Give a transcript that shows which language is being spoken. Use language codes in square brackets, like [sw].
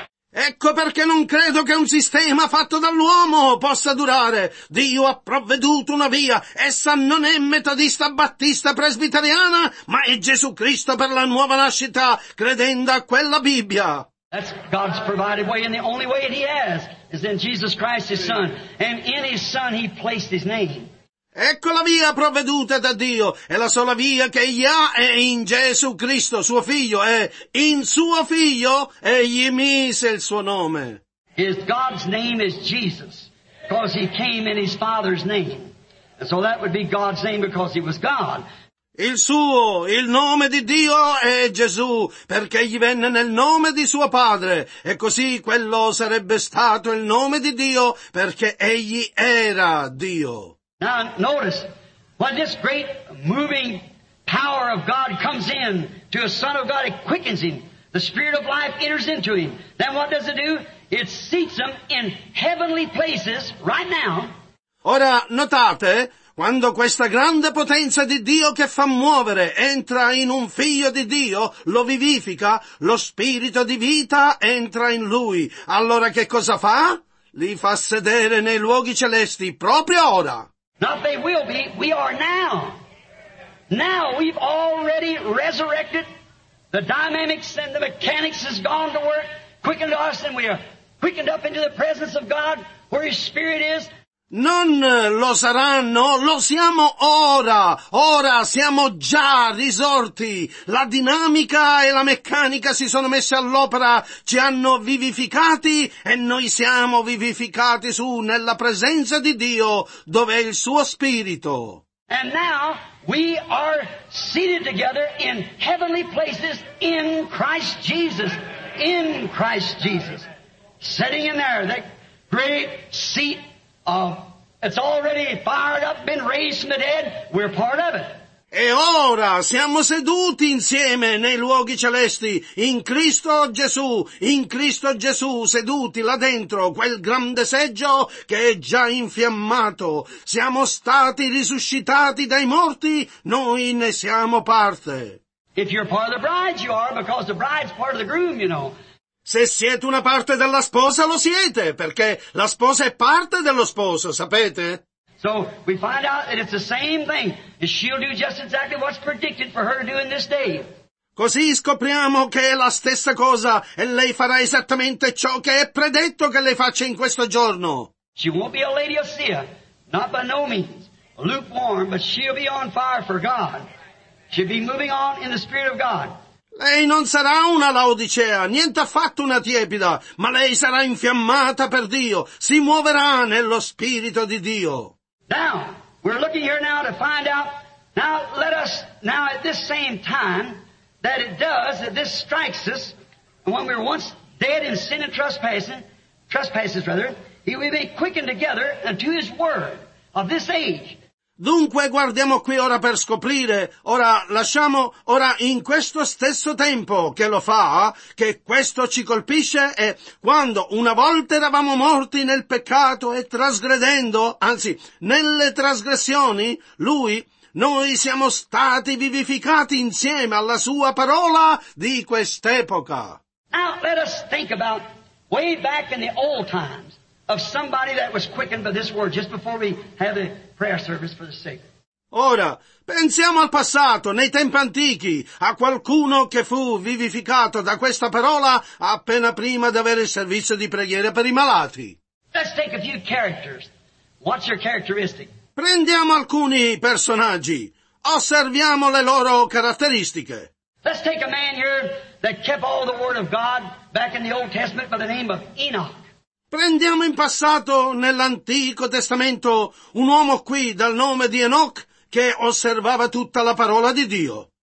[it] Ecco perché non credo che un sistema fatto dall'uomo possa durare. Dio ha provveduto una via. Essa non è metodista, battista, presbiteriana, ma è Gesù Cristo per la nuova nascita, credendo a quella Bibbia. [en] That's God's provided way, and the only way that he has is in Jesus Christ, his son. And in his son he placed his name. [it] Ecco la via provveduta da Dio, e la sola via che egli ha è in Gesù Cristo, suo figlio, e in suo figlio egli mise il suo nome. [en] His God's name is Jesus, because he came in his Father's name. And so that would be God's name because he was God. [it] Il suo, il nome di Dio è Gesù, perché egli venne nel nome di suo padre, e così quello sarebbe stato il nome di Dio, perché egli era Dio. [en] Now notice, when this great moving power of God comes in to a son of God, it quickens him. The spirit of life enters into him. Then what does it do? It seats him in heavenly places right now. [it] Ora notate, quando questa grande potenza di Dio che fa muovere entra in un figlio di Dio, lo vivifica, lo spirito di vita entra in lui. Allora che cosa fa? Li fa sedere nei luoghi celesti proprio ora. [en] Not they will be, we are now. Now we've already resurrected. The dynamics and the mechanics has gone to work, quickened us, and we are quickened up into the presence of God where His Spirit is. [it] Non lo saranno, lo siamo ora, ora siamo già risorti. La dinamica e la meccanica si sono messe all'opera, ci hanno vivificati e noi siamo vivificati su nella presenza di Dio, dove è il suo spirito. [en] And now we are seated together in heavenly places in Christ Jesus, in Christ Jesus. Sitting in there, that great seat. It's already fired up, been raised from the dead. We're part of it. [it] E ora siamo seduti insieme nei luoghi celesti, in Cristo Gesù, seduti là dentro, quel grande seggio che è già infiammato. Siamo stati risuscitati dai morti, noi ne siamo parte. [en] If you're part of the bride, you are, because the bride's part of the groom, you know. [it] Se siete una parte della sposa, lo siete, perché la sposa è parte dello sposo, sapete? [en] So we find out that it's the same thing. She'll do just exactly what's predicted for her to do in this day. [it] Così scopriamo che è la stessa cosa e lei farà esattamente ciò che è predetto che lei faccia in questo giorno. [en] She won't be a lady of sin, not by no means, lukewarm, but she'll be on fire for God. She'll be moving on in the Spirit of God. [it] Lei non sarà una Laodicea, niente affatto una tiepida, ma lei sarà infiammata per Dio, si muoverà nello Spirito di Dio. [en] Now, we're looking here now to find out, now let us, now at this same time, that it does, that this strikes us, and when we were once dead in sin and trespasses, He will be quickened together unto His Word of this age. [it] Dunque guardiamo qui ora per scoprire, ora lasciamo, ora in questo stesso tempo che lo fa, che questo ci colpisce, e quando una volta eravamo morti nel peccato e trasgredendo, anzi nelle trasgressioni, lui, noi siamo stati vivificati insieme alla sua parola di quest'epoca. [en] Now let us think about way back in the old times. Of somebody that was quickened by this word just before we had a prayer service for the sick. [it] Ora, pensiamo al passato, nei tempi antichi, a qualcuno che fu vivificato da questa parola appena prima di avere il servizio di preghiera per i malati. [en] Let's take a few characters. What's your characteristic? [it] Prendiamo alcuni personaggi. Osserviamo le loro caratteristiche. [en] Let's take a man here that kept all the word of God back in the Old Testament by the name of Enoch. [it] Prendiamo in passato, nell'Antico Testamento, un uomo qui dal nome di Enoch che osservava tutta la parola di Dio.